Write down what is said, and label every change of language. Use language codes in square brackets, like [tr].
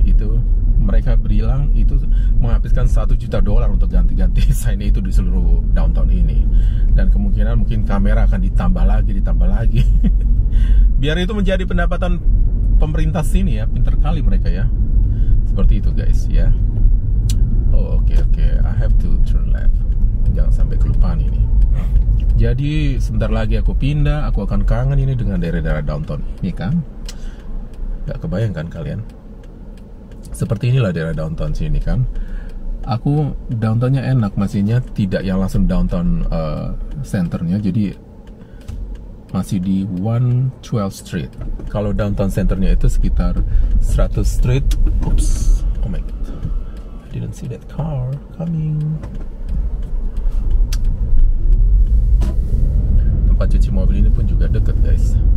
[id] Itu mereka bilang itu menghabiskan $1 juta untuk ganti-ganti sign itu di seluruh downtown ini. Dan kemungkinan mungkin kamera akan ditambah lagi. Biar itu menjadi pendapatan pemerintah sini ya, pinter kali mereka ya. Seperti itu guys ya. [en] Oh oke oke, I have to turn left. [id] Jangan sampai kelupaan ini. Jadi sebentar lagi aku pindah, aku akan kangen ini dengan daerah-daerah downtown ini kan. Gak kebayang kan kalian? Seperti inilah daerah downtown sini kan. Aku downtownnya enak, maksudnya tidak yang langsung downtown centernya, jadi masih di 112 Street. Kalau downtown centernya itu sekitar 100 Street. [en] Oops, oh my god, I didn't see that car coming. [id] Tempat cuci mobil ini pun juga deket, guys.